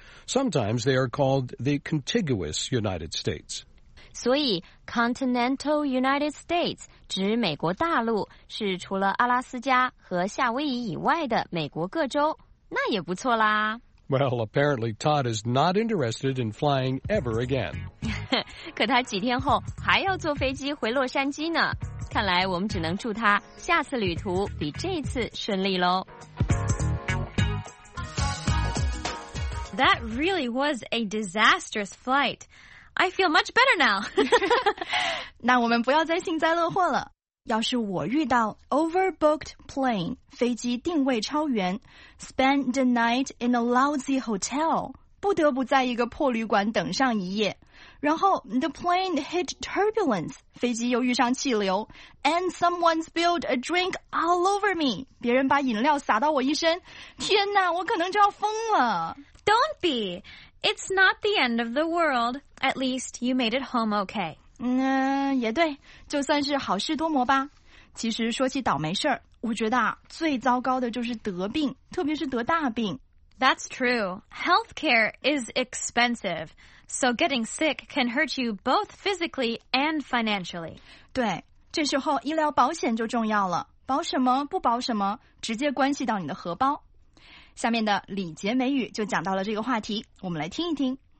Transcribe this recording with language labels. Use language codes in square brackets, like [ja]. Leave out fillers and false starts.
[en] Sometimes they are called the contiguous United States. [zh] 所以 continental United States 指美国大陆是除了阿拉斯加和夏威夷以外的美国各州。那也不错啦。 [en] Well, apparently Todd is not interested in flying ever again. [zh] 可他几天后还要坐飞机回洛杉矶呢。看来我们只能祝他下次旅途比这次顺利咯。 [en] That really was a disastrous flight. I feel much better now. [zh] 那我们不要再幸灾乐祸了。要是我遇到 [en] overbooked plane, [zh] 飞机定位超员 [en] spend the night in a lousy hotel, [zh] 不得不在一个破旅馆等上一夜然后 [en] the plane hit turbulence, [zh] 飞机又遇上气流 [en] and someone spilled a drink all over me, [zh] 别人把饮料洒到我一身天哪我可能就要疯了 [en] Don't be, it's not the end of the world, at least you made it home okay. [zh] 嗯，也对，就算是好事多磨吧。其实说起倒霉事儿，我觉得啊，最糟糕的就是得病，特别是得大病。 [en] That's true. Healthcare is expensive, so getting sick can hurt you both physically and financially. [zh] 对，这时候医疗保险就重要了。保什么不保什么，直接关系到你的荷包。下面的李杰美语就讲到了这个话题，我们来听一听。